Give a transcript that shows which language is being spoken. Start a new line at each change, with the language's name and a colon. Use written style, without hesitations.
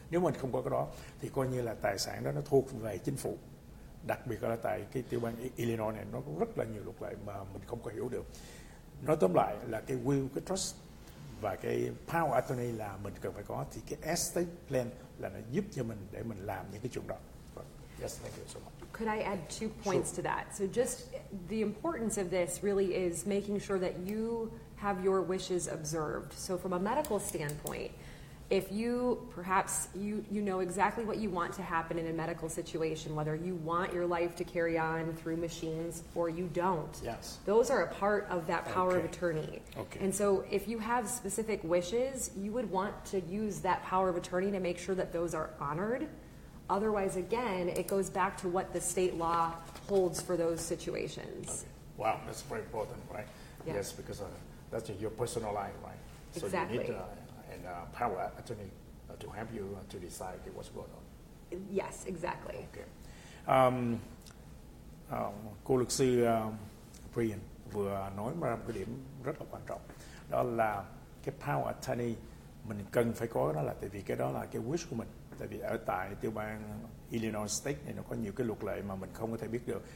Vietnamese: Nếu mình không có cái đó thì coi như là tài sản đó nó thuộc về chính phủ, đặc biệt là tại cái tiểu bang Illinois này nó có rất là nhiều luật lệ mà mình không có hiểu được. Nói tóm lại là cái will, cái trust và cái power attorney là mình cần phải có, thì cái estate plan là nó giúp cho mình để mình làm những cái chuyện đó.
English: Yes, thank you so much. Could I add two points to that? So just the importance of this really is making sure that you have your wishes observed. So from a medical standpoint, if you perhaps you know exactly what you want to happen in a medical situation, whether you want your life to carry on through machines or you don't, yes, those are a part of that power of attorney. Okay. And so if you have specific wishes, you would want to use that power of attorney to make sure that those are honored. Otherwise, again, it goes back to what the state law holds for those situations. Okay. Wow, that's very important, right? Yeah. Yes, because that's your personal life, right? Exactly. So you need a power attorney to help you to decide what's going on. Yes, exactly. Okay.
Vietnamese: Cô luật sư Brian vừa nói ra một cái điểm rất là quan trọng. Đó là cái power attorney mình cần phải có, đó là tại vì cái đó là cái wish của mình. Tại vì ở tại tiểu bang Illinois State này nó có nhiều cái luật lệ mà mình không có thể biết được.